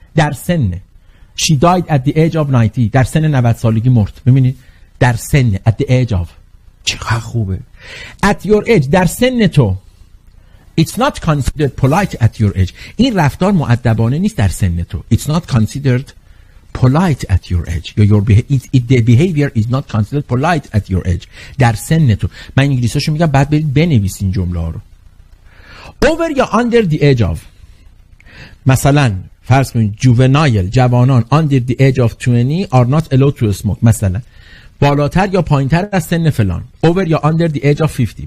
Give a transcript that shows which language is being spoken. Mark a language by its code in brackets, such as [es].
[fa] در سن، [en] she died at the age of 90، [fa] در سن 90 سالگی مرد. ببینید در سن، [en] at the age of، [fa] چقدر خوبه. [en] At your age، [fa] در سن تو. [en] It's not considered polite at your age. [fa] این رفتار مؤدبانه نیست در سن تو. [en] It's not considered polite at your age. The behavior is not considered polite at your age. [fa] در سن تو. من انگلیسیشو میگم، بعد برید بنویسین جمله رو. [en] Over [fa] یا [en] under the age of. [fa] مثلا فرض کنید [en] juvenile، [fa] جوانان، [en] under the age of 20 are not allowed to smoke. [fa] مثلا بالاتر یا پایینتر از سن فلان. [en] Over [fa] یا [en] under the age of 50.